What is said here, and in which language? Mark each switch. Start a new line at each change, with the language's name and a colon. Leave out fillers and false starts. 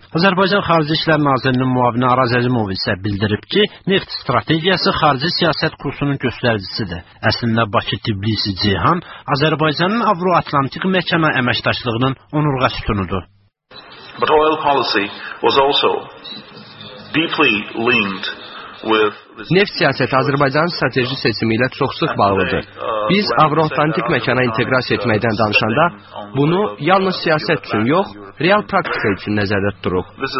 Azerbaijani: Azərbaycan Xarici İşlər Nazirinin müavini Araz Əzimov isə bildirib ki, neft strategiyası xarici siyasət kursunun göstəricisidir. Əslində, Bakı-Tiblisi-Ceyhan Azərbaycanın Avro-Atlantik məkana əməkdaşlığının onurğa sütunudur.
English: But oil policy was also deeply linked.
Azerbaijani: Neft siyasəti Azərbaycanın strateji seçimi ilə çox sıx bağlıdır. Biz Avro-Atlantik məkana inteqrasiya etməkdən danışanda bunu yalnız siyasət üçün yox, real praktika üçün nəzərdə tuturuq.